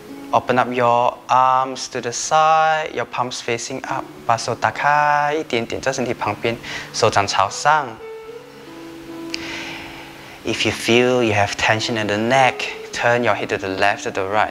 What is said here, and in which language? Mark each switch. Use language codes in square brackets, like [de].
[en] Open up your arms to the side, your palms facing up. [zh] 把手打开一点点在身体旁边, 手掌朝上. [en] If you feel you have tension in the neck, turn your head to the left or the right.